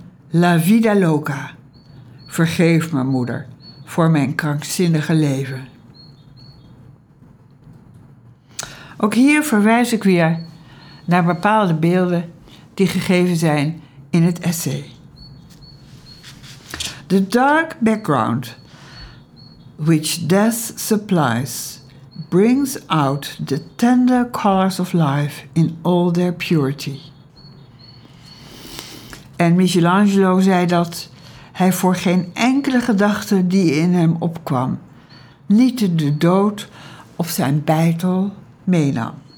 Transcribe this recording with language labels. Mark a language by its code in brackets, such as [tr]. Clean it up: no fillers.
[es] La vida loca. [nl] Vergeef me, moeder, voor mijn krankzinnige leven. Ook hier verwijs ik weer naar bepaalde beelden die gegeven zijn in het essay. [en] The dark background which death supplies brings out the tender colors of life in all their purity. [nl] En Michelangelo zei dat hij voor geen enkele gedachte die in hem opkwam, niet de dood of zijn beitel meenam.